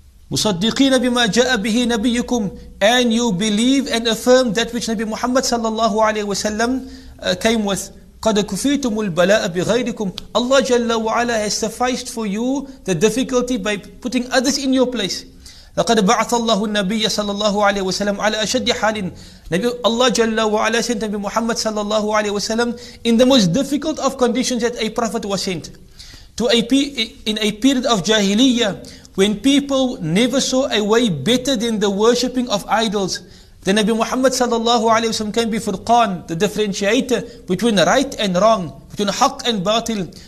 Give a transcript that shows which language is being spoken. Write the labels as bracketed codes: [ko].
[ar] مصدقين بما جاء به نبيكم. [en] And you believe and affirm that which Nabi Muhammad sallallahu alayhi wa sallam came with. [ar] قد كفيتم البلاء بغيركم. [en] Allah jalla wa ala has sufficed for you the difficulty by putting others in your place. [ar] لقد بعث الله النبي صلى الله عليه وسلم على أشد حال. [en] Allah jalla wa ala sent Nabi Muhammad sallallahu alayhi wa sallam in the most difficult of conditions that a prophet was sent to in a period of jahiliyyah, when people never saw a way better than the worshipping of idols. Then Nabi Muhammad sallallahu alayhi wa sallam can be Furqan, the differentiator between right and wrong, between haq and batil.